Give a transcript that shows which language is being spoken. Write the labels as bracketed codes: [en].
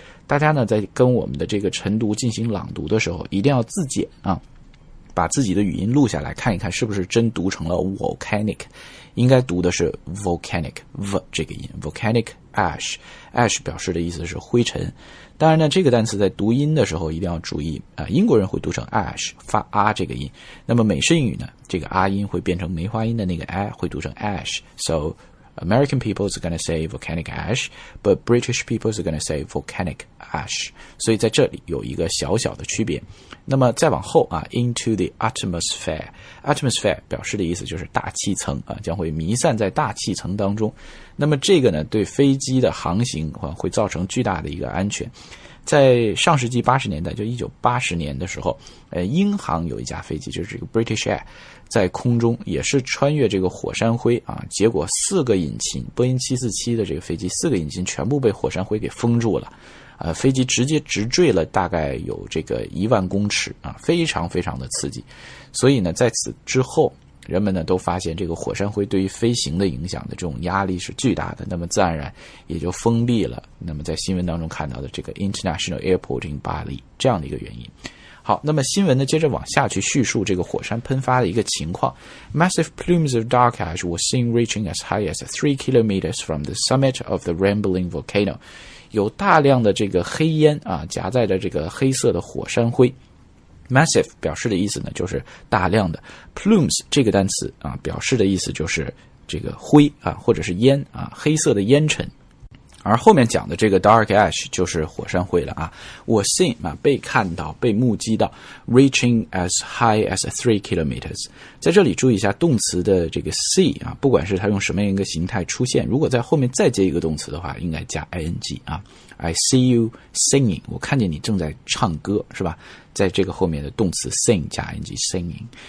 [zh] 大家呢在跟我们的这个晨读进行朗读的时候，一定要自检啊，把自己的语音录下来看一看是不是真读成了 volcanic, 应该读的是 volcanic, V 这个音 volcanic ash, ash 表示的意思是灰尘。当然呢，这个单词在读音的时候一定要注意啊，英国人会读成 ash, 发 R 这个音，那么美式英语呢，这个 R 音会变成梅花音的那个 A, 会读成 ash, so [en] American people is going to say volcanic ash, but British people is going to say volcanic ash. [zh] 所以在这里有一个小小的区别。那么再往后啊 , [en] into the atmosphere. [zh] Atmosphere 表示的意思就是大气层啊，将会弥散在大气层当中。那么这个呢对飞机的航行啊会造成巨大的一个安全。在上世纪80年代就1980年的时候英航有一架飞机就是这个 British Air, 在空中也是穿越这个火山灰啊结果四个引擎波音747的这个飞机四个引擎全部被火山灰给封住了飞机直接直坠了大概有这个10000公尺啊非常非常的刺激。所以呢在此之后人们呢都发现这个火山灰对于飞行的影响的这种压力是巨大的那么自然而然也就封闭了那么在新闻当中看到的这个 International Airport in Bali 这样的一个原因。好那么新闻呢接着往下去叙述这个火山喷发的一个情况。 [en] Massive plumes of dark ash were seen reaching as high as 3 kilometers from the summit of the rambling volcano. [zh] 有大量的这个黑烟啊夹在着这个黑色的火山灰。 Massive 表示的意思呢就是大量的 Plumes 这个单词啊表示的意思就是这个灰啊或者是烟啊黑色的烟尘而后面讲的这个 dark ash 就是火山灰了啊 was seen 啊被看到被目击到 [en] reaching as high as 3 kilometers [zh] 在这里注意一下动词的这个 see 啊不管是它用什么一个形态出现如果在后面再接一个动词的话应该加 ing 啊 [en] I see you singing [zh] 我看见你正在唱歌是吧在这个后面的动词 sing 加 ing singing